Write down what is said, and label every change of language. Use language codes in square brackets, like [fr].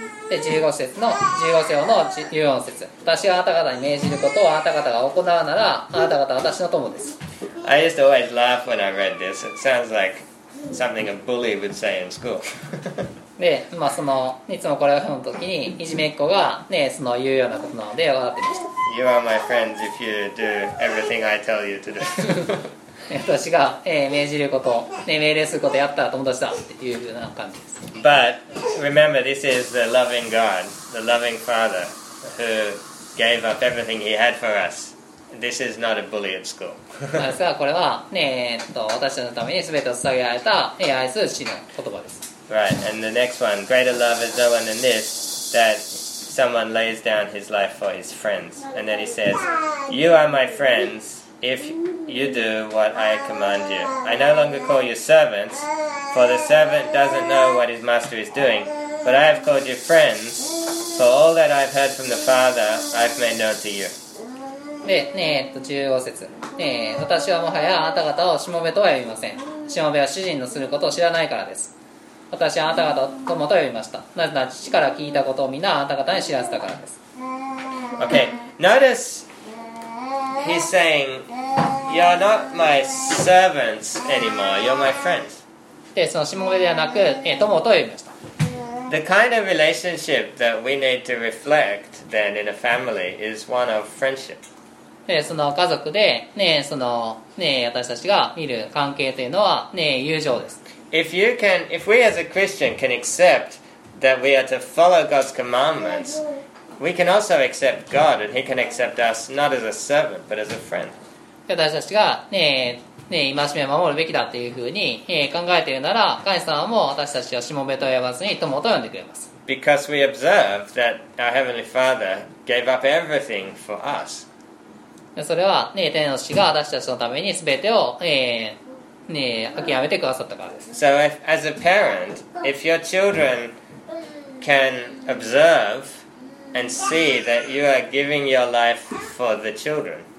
[ja] で、15節の14節私があなた方に命じることをあなた方が行うならあなた方は私の友です [en] I used to always laugh when I read this It sounds like something a bully would say in school [ja] で、まあ、そのいつもこれを読むときにいじめっ子が、その言うようなことなので笑ってました [en] You are my friends if you do everything I tell you to do [ja] 私が、命じること、命令することやったら友達だっていうような感じです [en] But remember this is the loving God the loving father who gave up everything he had for us This is not a bully at school [ja] ですがこれは、私たちのために全てを捧げられた愛する父の言葉です [en] Right, and the next one, greater love is no one than this, that someone lays down his life for his friends. And then he says, you are my friends if you do what I command you. I no longer call you servants, for the servant doesn't know what his master is doing, but I have called you friends, for all that I've heard from the Father, I've made known to you. [ja] で、15節、私はもはやあなた方をしもべとは呼びません。しもべは主人のすることを知らないからです。私はあなた方と友と呼びました。なぜなら父から聞いたことをみんなあなた方に知らせたからです。 [en] Okay, notice he's saying you're not my servants anymore, you're my friends. [ja] で、そのしもべではなく、友と呼びました。 [en] The kind of relationship that we need to reflect then in a family is one of friendship. [ja] で、その家族で、その、私たちが見る関係というのは、友情です。 [en] If we as a Christian can accept that we are to follow God's commandments, we can also accept God and He can accept us not as a servant, but as a friend. [ja] 私たちが、戒めを守るべきだというふうに、考えているなら、神様も私たちをしもべと呼ばずに友と呼んでくれます。 [en] because we observe that our Heavenly Father gave up everything for us. [ja] それは、ね、天の父が私たちのために全てを、ね、諦めてくださったからです。 [en] So if, as a parent, if your children can observe and see that you are giving your life for the children.